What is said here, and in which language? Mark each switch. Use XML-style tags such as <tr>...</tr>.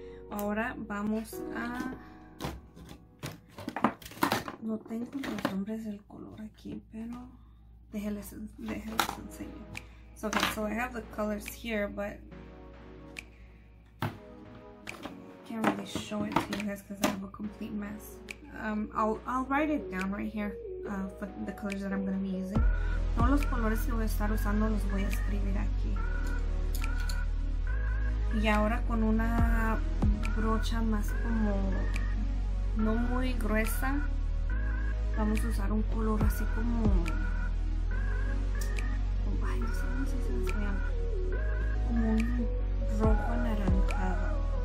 <es>Ahora vamos a, no tengo los nombres del color aquí, pero déjeles enseño.</es> <en>So, okay, so I have the colors here, but can't really show it to you guys because I have a complete mess. I'll write it down right here for the colors that I'm going to be using.</en> <es>Todos los colores que voy a estar usando los voy a escribir aquí. Y ahora con una brocha más como no muy gruesa, vamos a usar un color así como, ay, no sé cómo se llama, como un rojo anaranjado.</es>